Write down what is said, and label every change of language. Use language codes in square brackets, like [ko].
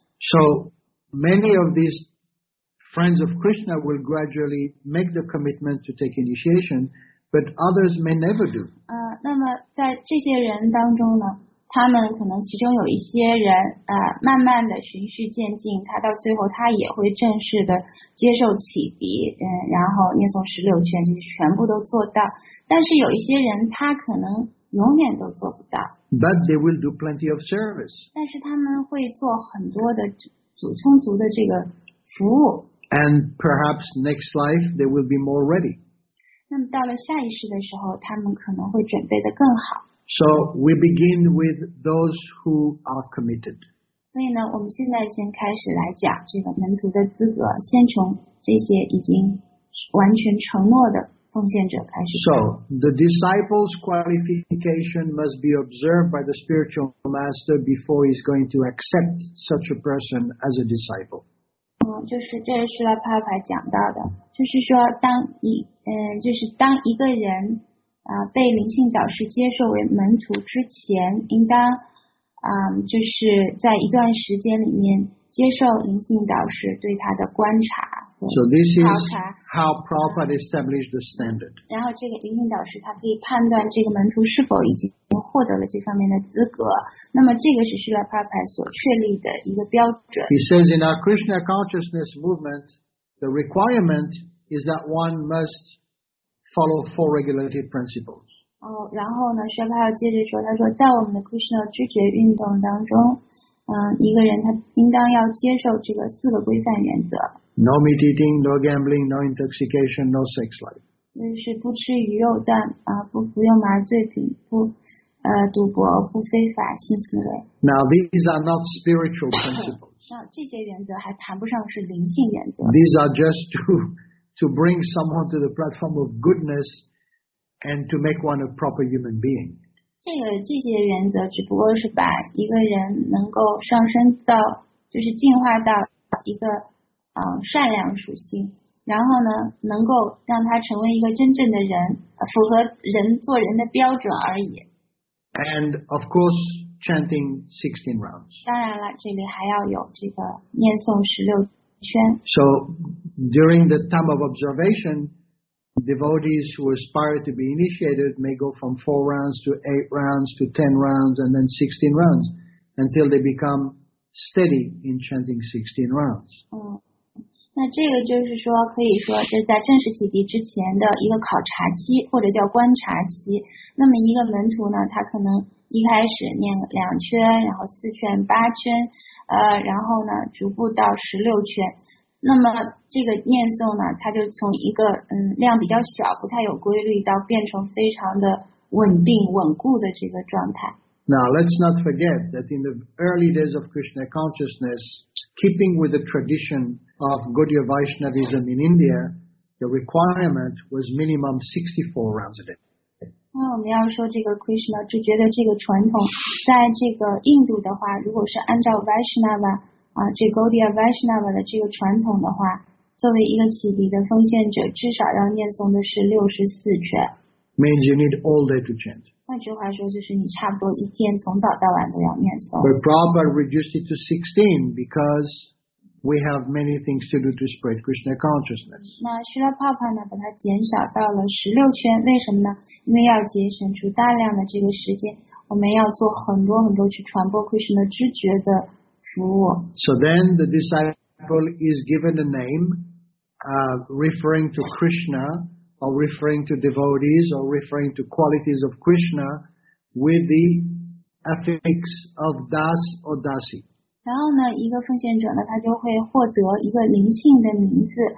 [en] So many of theseFriends of Krishna will gradually make the commitment to take initiation, but others may never do. [zh] 那么在这些人当中呢，他们可能其中有一些人慢慢的循序渐进，他到最后他也会正式的接受启迪，然后念诵16圈，就是全部都做到。但是有一些人他可能永远都做不到。 [en] But they will do plenty of service. [zh] 但是他们会做很多的充足的这个服务。 [en] And perhaps next life they will be more ready. [zh] 那么到了下一世的时候，他们可能会准备得更好。 [en] So we begin with those who are committed. [zh] 所以呢，我们现在先开始来讲这个门徒的资格，先从这些已经完全承诺的奉献者开始。 [en] So the disciple's qualification must be observed by the spiritual master before he's going to accept such a person as a disciple. [zh] 就是这是Srila Prabhupada讲到的，就是说当当一个人被灵性导师接受为门徒之前，应当就是在一段时间里面接受灵性导师对他的观察。 [en] So this is how Prabhupada established the standard. [zh] 然后这个灵性导师他可以判断这个门徒是否已经获得了这方面的资格。那么这个是Srila Prabhupada所确立的一个标准。 [en] He says in our Krishna consciousness movement, the requirement is that one must follow four regulative principles. [zh] 然后呢Srila Prabhupada接着说，他说在我们的 Krishna 知觉运动当中，一个人他应当要接受这个四个规范原则。 [en] No meat eating, no gambling, no intoxication, no sex life. [zh] 就是不吃鱼肉蛋，不服用麻醉品，不赌博，不非法性行为。 [en] Now these are not spiritual principles. [zh] 这些原则还谈不上是灵性原则。 [en] These are just to bring someone to the platform of goodness and to make one a proper human being. [zh] 这些原则只不过是把一个人能够上升到，就是进化到一个善良属性，然后呢能够让他成为一个真正的人，符合人做人的标准而已。 [en] And of course chanting 16 rounds. [zh] 当然了，这里还要有这个念诵16圈。 [en] So during the time of observation, devotees who aspire to be initiated may go from 4 rounds to 8 rounds to 10 rounds and then 16 rounds until they become steady in chanting 16 rounds. [zh] 那这个就是说可以说这是在正式启迪之前的一个考察期，或者叫观察期。那么一个门徒呢，他可能一开始念两圈，然后四圈，八圈，然后呢逐步到十六圈。那么这个念诵呢，他就从一个量比较小，不太有规律，到变成非常的稳定稳固的这个状态。 [en] Now let's not forget that in the early days of Krishna consciousness, keeping with the tradition of Gaudiya Vaishnavism in India, the requirement was minimum 64 rounds a day. [zh] 我们要说这个 Krishna 就觉得这个传统，在这个印度的话，如果是按照 Vaishnava 这 Gaudiya Vaishnava 的这个传统的话，作为一个启迪的奉献者，至少要念诵的是64圈。 [en] Means you need all day to chant. [zh] 换句话说，就是你差不多一天从早到晚都要念诵。 [en] But Prabhupada reduced it to 16 because we have many things to do to spread Krishna consciousness. [zh] 那Srila Prabhupada呢，把它减少到了16圈，为什么呢？因为要节省出大量的这个时间，我们要做很多很多去传播 Krishna 知觉的服务。 [en] So then the disciple is given a name, referring to Krishna. Or referring to devotees, or referring to qualities of Krishna, with the affix of das or dasi. [zh] 然后呢，一个奉献者呢，他就会获得一个灵性的名字。